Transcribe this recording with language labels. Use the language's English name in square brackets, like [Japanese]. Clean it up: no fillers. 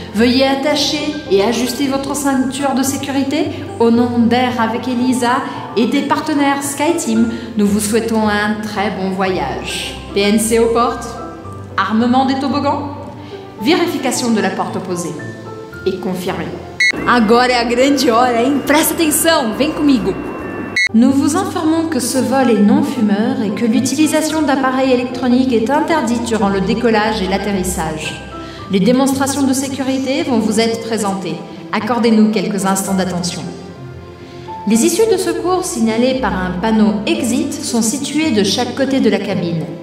[French] Veuillez attacher et ajuster votre ceinture de sécurité. Au nom d'Air avec Elisa et des partenaires SkyTeam, nous vous souhaitons un très bon voyage. PNC aux portes, armement des toboggans, vérification de la porte opposée et confirmé. [Portuguese] Agora é a grande hora, hein? Presta atenção, vem comigo! [French] Nous vous informons que ce vol est non fumeur et que l'utilisation d'appareils électroniques est interdite durant le décollage et l'atterrissage. Les démonstrations de sécurité vont vous être présentées. Accordez-nous quelques instants d'attention. Les issues de secours signalées par un panneau exit sont situées de chaque côté de la cabine.